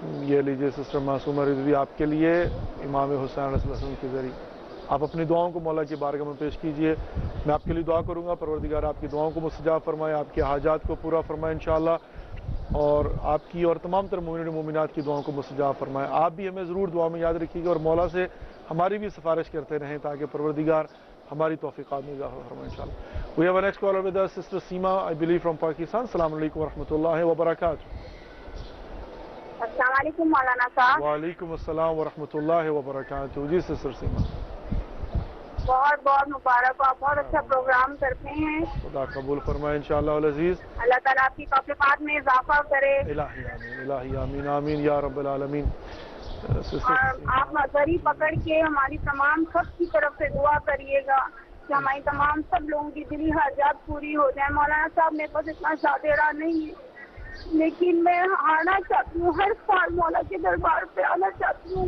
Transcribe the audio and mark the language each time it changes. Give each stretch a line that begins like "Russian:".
Urdu: یہ لیجئے سسٹر معصومہ رضوی آپ کے لیے امام حسین علیہ السلام کے ذریعے آپ اپنی دعاؤں کو مولا کی بارگاہ میں پیش کیجئے میں آپ کے لیے دعا کروں گا پروردگار آپ کی دعاؤں کو مستجاب فرمائے آپ کے حاجات کو پورا فرمائے انشاءاللہ اور آپ کی اور تمام تر مومنین مومنات کی دعاؤں کو مستجاب فرمائے آپ بھی ہمیں ضرور دعا میں یاد رکھیے گا اور مولا سے ہماری بھی سفارش کرتے رہیں تاکہ پروردگار ہماری توفیقات میں اضافہ فرمائے انشاءاللہ
English: we have next caller with us sister Seema I believe from Pakistan
Urdu: السلام علیکم ورحمۃ اللہ وبرکاتہ السلام علیکم مولانا صاحب وعلیکم السلام ورحمۃ اللہ وبرکاتہ جی سسٹر سیما بہت بہت مبارک آپ بہت اچھا پروگرام کرتے ہیں خدا قبول فرمائے انشاءاللہ العزیز اللہ تعالیٰ آپ کی توفیقات میں اضافہ کرے الہی آمین الہی آمین آمین یا رب العالمین آپ ذری پکڑ کے ہماری تمام سب کی طرف سے دعا کریے گا کہ ہماری تمام سب لوگوں کی دلی حاجات پوری ہو جائیں مولانا صاحب میرے پاس اتنا زیادہ راہ نہیں ہے لیکن میں آنا چاہتی ہوں, ہر سال مولا کے دربار پہ آنا چاہتی ہوں.